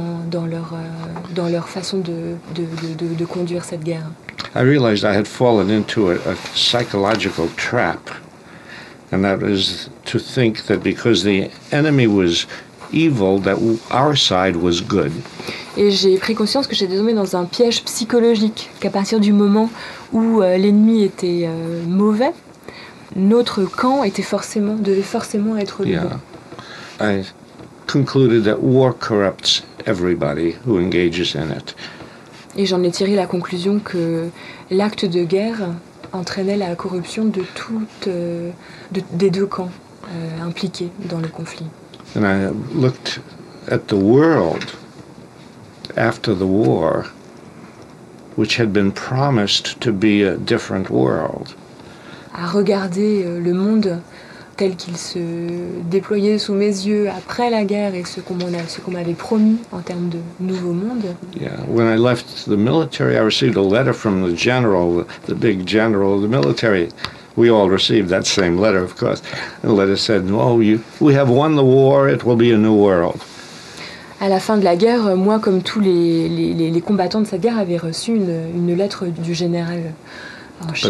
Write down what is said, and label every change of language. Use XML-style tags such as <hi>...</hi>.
<fr>Dans leur façon de conduire cette guerre.</fr> <en>I realized I had fallen into a psychological trap, and that was to think that because the enemy was evil, that our side was good.</en> <fr>Et j'ai pris conscience que j'étais tombé dans un piège psychologique, qu'à partir du moment où l'ennemi était mauvais, notre camp devait forcément être le bon.</fr> <en>Concluded that war corrupts everybody who engages in it.</en> <fr>Et j'en ai tiré la conclusion que l'acte de guerre entraînait la corruption de des deux camps impliqués dans le conflit.</fr> <en>And I looked at the world after the war which had been promised to be a different world.</en> <fr>À regarder le monde tel qu'il se déployait sous mes yeux après la guerre et ce qu'on m'avait promis en termes de nouveau monde.</fr> <en>Yeah, when I left the military, I received a letter from the general, the big general of the military. We all received that same letter, of course. The letter said, we have won the war, it will be a new world.</en> <fr>À la fin de la guerre, moi, comme tous les combattants de cette guerre, avais reçu une lettre du général en chef.</fr>